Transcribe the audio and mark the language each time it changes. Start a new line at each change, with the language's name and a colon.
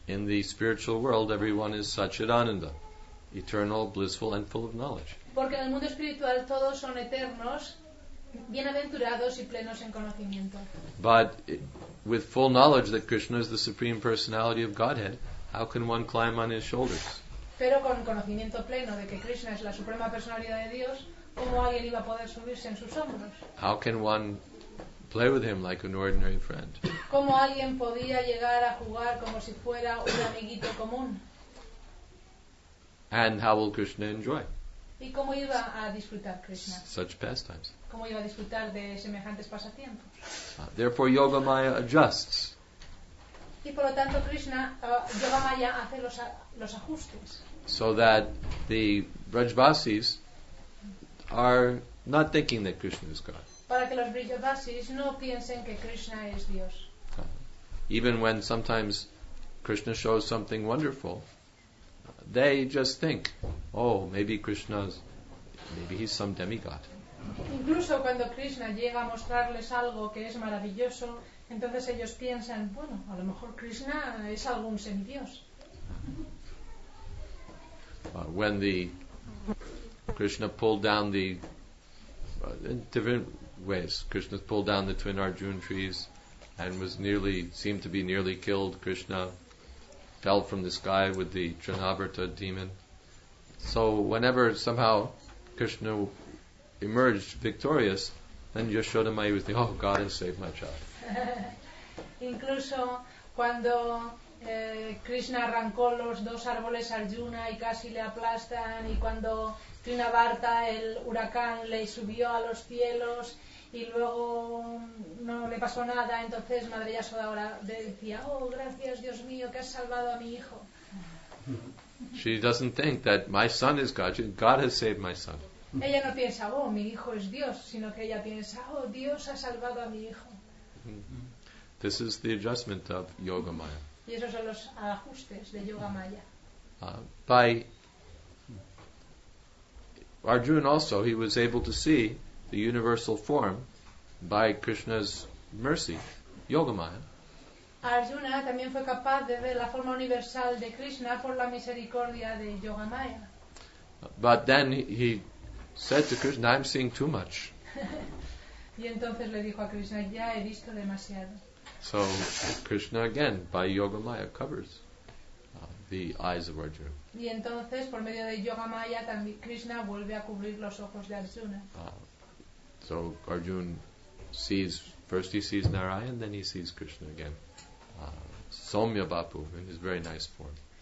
English: In the spiritual world, everyone is Satchidananda, eternal, blissful, and full of knowledge.
Spanish: Porque en el mundo espiritual todos son eternos, bienaventurados y plenos en conocimiento.
English: But with full knowledge that Krishna is the supreme personality of Godhead, how can one climb on his shoulders?
Spanish: Pero con conocimiento pleno de que Krishna es la suprema personalidad de Dios, ¿cómo alguien iba a poder subirse en sus hombros?
English: How can one play with him like an ordinary friend?
Spanish: ¿Cómo alguien podía llegar a jugar como si fuera un amiguito común?
English: And how will Krishna enjoy?
Spanish: ¿Y cómo iba a disfrutar Krishna?
English: Such pastimes.
Spanish: ¿Cómo iba a disfrutar de semejantes pasatiempos?
English: Therefore, Yoga Maya adjusts.
Spanish: Y por lo tanto Krishna, Yoga Maya, hace los ajustes.
English: So that the Vrajvasis are not thinking that Krishna is God.
Spanish: Para que los Vrajvasis no piensen que Krishna es Dios.
English: Even when sometimes Krishna shows something wonderful, they just think, oh, maybe he's some demigod.
Spanish: Incluso cuando Krishna llega a mostrarles algo que es maravilloso, entonces ellos piensan, bueno, a lo mejor Krishna es algún semidios.
English: When the Krishna pulled down the in different ways, Krishna pulled down the twin Arjuna trees and seemed to be nearly killed. Krishna fell from the sky with the Trinavarta demon. So whenever somehow Krishna emerged victorious, then Yashoda Mai would think, oh, God has saved my child.
Spanish: Incluso cuando Krishna arrancó los dos árboles Arjuna y casi le aplastan, y cuando Trinavarta, el huracán, le subió a los cielos y luego no le pasó nada, entonces Madre Yashoda ahora decía, oh, gracias Dios mío que has salvado a mi hijo.
English: She doesn't think that my son is God. God has saved my son.
Spanish: Ella no piensa, oh, mi hijo es Dios, sino que ella piensa, oh, Dios ha salvado a mi hijo.
English: This is the adjustment of Yoga Maya.
Spanish: Y esos son los ajustes de Yoga Maya.
English: By Arjuna also, he was able to see the universal form by Krishna's mercy, Yoga Maya.
Spanish: Arjuna también fue capaz de ver la forma universal de Krishna por la misericordia de Yoga Maya.
English: But then he said to Krishna, I'm seeing too much.
Spanish: Y entonces le dijo a Krishna, ya he visto demasiado.
English: So Krishna again by Yoga Maya covers the eyes of Arjuna.
Spanish: Y entonces por medio de Yoga Maya también Krishna vuelve a cubrir los ojos de Arjuna.
English: So Arjuna sees Narayan, then he sees Krishna again. Somya Bapu in his very nice form.